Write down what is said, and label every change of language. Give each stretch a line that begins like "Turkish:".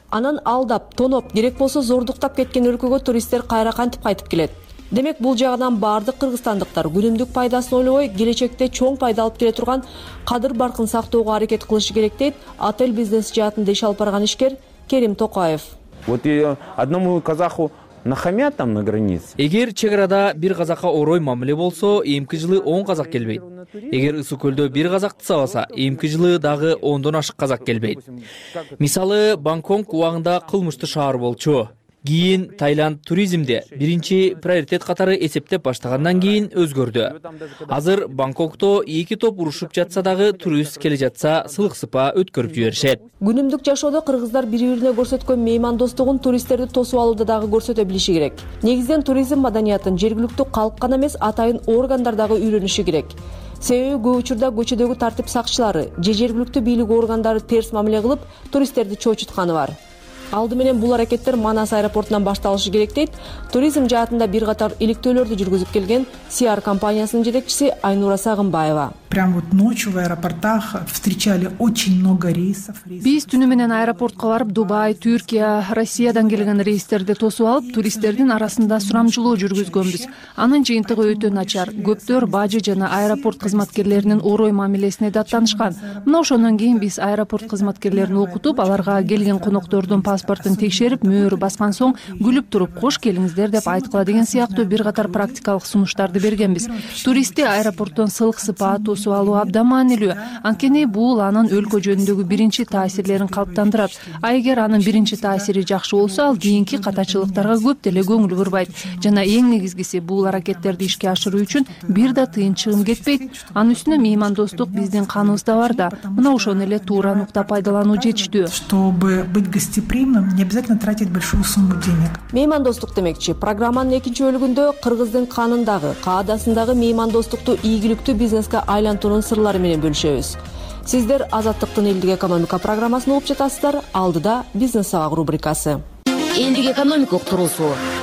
Kyrgyz: Анан алдап, тоноп, керек болсо зордуктап кеткен өлкөгө туристтер кайра кантип кайтып келет? Демек, бул жагынан баардык кыргызстандыктар күнүмдүк пайдасын ойлобой, келечекте чоң пайда алып келе турган кадыр баркын сактоого аракет кылышы керек, дейт отель бизнес жаатында иш алып барган ишкер Керим Токаев.
Russian: Вот и одному казаху нахамят там на границе.
Kyrgyz: Эгер чек арада бир казакка орой мамиле болсо, эмки жылы 10 казак келбейт. Эгер ысык көлдө бир казакты сабаса, эмки жылы дагы 10 ашык казак келбейт. Мисалы, Бангкок убагында кылмыштуу шаар болчу. Кийин Тайланд туризмде биринчи приоритет катары эсептеп баштагандан кийин өзгөрдү. Азыр Бангкокто эки топ урушуп жатса дагы турист келе жатса сылык сыпа өткөрүп жиберишет. Күнүмдүк жашоодо кыргыздар бири бирине көрсөткөн меймандостугун туристтерди тосуп алууда дагы көрсөтө билиши керек. Негизинен туризм маданиятын жергиликтүү калк гана эмес, атайын органдар дагы үйрөнүшү керек. Себеби көп учурда көчөдөгү тартип сакчылары же жергиликтүү бийлик органдары терс мамиле кылып туристтерди чочутканы бар. Алды менен бул аракеттер Манас аэропортунан башталышы керек, дейт туризм жаатында бир катар иликтөөлөрдү жүргүзүп келген CR компаниясынын жетекчиси Айнура Сагынбаева.
Russian: Прямо вот ночью в аэропортах встречали очень много рейсов.
Kyrgyz: Биз түнү менен аэропортко барып, Дубай, Түркия, Россиядан келген рейстерди тосуп алып, туристтердин арасында сурамжылоо жүргүзгөнбүз. Анын жыйынтыгы өтө начар. Көптөр бажы жана аэропорт кызматкерлеринин орой мамилесине даттанышкан. Мына ошондон кийин биз аэропорт кызматкерлерин окутуп, аларга келген коноктордун паспортун текшерип, мөөрү баскан соң күлүп туруп, кош келиңиздер деп айткыла деген сыяктуу бир катар практикалык сунуштарды бергенбиз. Туристти аэропорттон сылык сыпа тосуп алуу абдан маанилүү. Анткени бул анын өлкө жөнүндөгү биринчи таасирлерин калыптандырат. А эгер анын биринчи таасири жакшы болсо, ал кийинки катачылыктарга көп деле көңүл бурбайт. Жана эң негизгиси, бул аракеттерди ишке ашыруу үчүн бир да тыйын чыгым кетпейт. Анын үстүнө меймандостук биздин каныбызда бар да, мына ошону эле туура нукта пайдалануу жетиштүү.
Russian: Чтобы быть гостеприимным, не обязательно тратить большую сумму денег.
Kyrgyz: Меймандостук демекчи, программанын экинчи бөлүгүндө кыргыздын канындагы, каадасындагы меймандостукту ийгиликтүү бизнеске айлантуунун сырлары менен бөлүшөбүз. Сиздер Азаттыктын элдик экономика программасын угуп жатасыздар. Алдыда бизнес сабак рубрикасы. Элдик экономика уктуруусу.